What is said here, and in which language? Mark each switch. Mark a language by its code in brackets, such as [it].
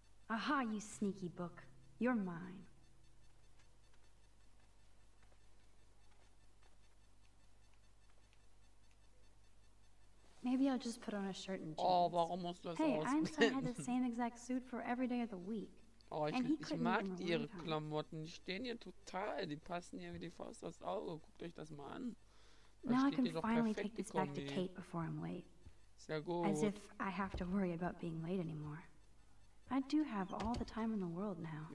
[en] Aha, you sneaky book. You're mine. Maybe I'll just put on a shirt and jeans. [de] Oh, warum musst du das [en] hey, Einstein had the same exact suit for every day of the week. [de] Oh, ich mag ihre Klamotten. Die stehen hier total. Die passen hier wie die Faust aufs Auge. Guckt euch das mal an. [en] Now I can finally take this back to Kate before I'm late. As if I have to worry about being late anymore. I do have all the time in the world now.